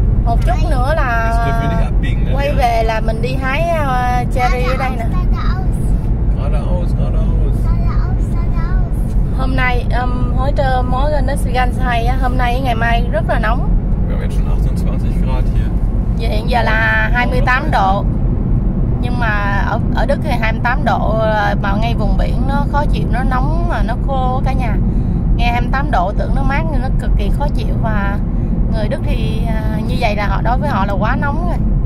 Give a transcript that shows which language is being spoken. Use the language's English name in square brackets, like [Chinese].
[Vietnamese] Một chút nữa là quay về là mình đi hái cherry ở đây nè. [German] Geradeaus, geradeaus. [Vietnamese] Hôm nay, [German] heute morgen ist ganz heiß. [Vietnamese] Hôm nay, ngày mai rất là nóng. [German] Wir haben jetzt schon 28 Grad hier. [Vietnamese] Hiện giờ là 28 độ. Nhưng mà ở Đức thì 28 độ mà ngay vùng biển nó khó chịu, nó nóng mà nó khô cả nhà. Nghe 28 độ tưởng nó mát nhưng nó cực kỳ khó chịu, và người Đức thì như vậy là họ đối với họ là quá nóng rồi.